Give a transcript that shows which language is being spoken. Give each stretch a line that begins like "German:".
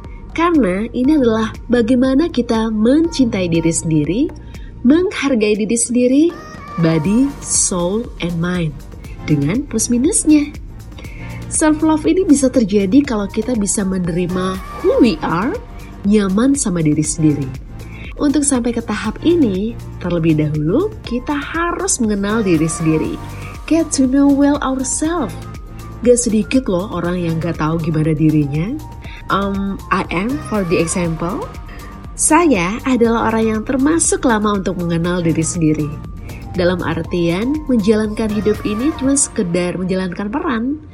Indonesian: Karena ini adalah bagaimana kita mencintai diri sendiri, menghargai diri sendiri, body, soul, and mind, dengan plus minusnya. Self-love ini bisa terjadi kalau kita bisa menerima who we are, nyaman sama diri sendiri. Untuk sampai ke tahap ini, terlebih dahulu kita harus mengenal diri sendiri.
English: Get to know well ourselves.
Indonesian: Gak sedikit loh orang yang gak tahu gimana dirinya. I am for the example. Saya adalah orang yang termasuk lama untuk mengenal diri sendiri. Dalam artian, menjalankan hidup ini cuma sekedar menjalankan peran.